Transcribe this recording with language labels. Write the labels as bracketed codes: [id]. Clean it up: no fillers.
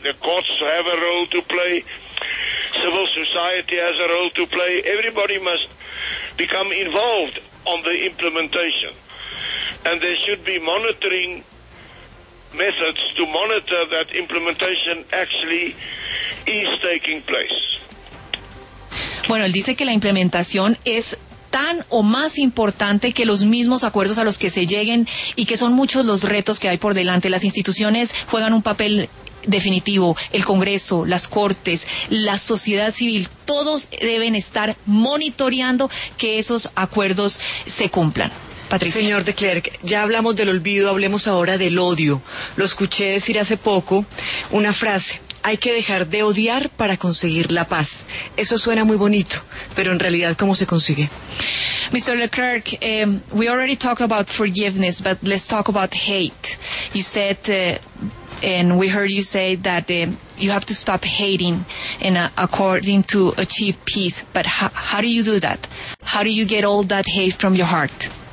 [en] The courts have a role to play. Civil society has a role to play. Everybody must become involved on the implementation. And there should be monitoring methods to monitor that implementation actually is taking place. [es] Bueno, él dice que la implementación es tan o más importante que los mismos acuerdos a los que se lleguen y que son muchos los retos que hay por delante. Las instituciones juegan un papel definitivo, el Congreso, las Cortes, la sociedad civil, todos deben estar monitoreando que esos acuerdos se cumplan. Patricia. Señor de Klerk, ya hablamos del olvido, hablemos ahora del odio. Lo escuché decir hace poco una frase: hay que dejar de odiar para conseguir la paz. Eso suena muy bonito, pero en realidad, ¿cómo se consigue? [en] Mr. Leclerc, we already talked about forgiveness, but let's talk about hate. You said, and we heard you say that you have to stop hating in according to achieve peace. But how do you do that? How do you get all that hate from your heart?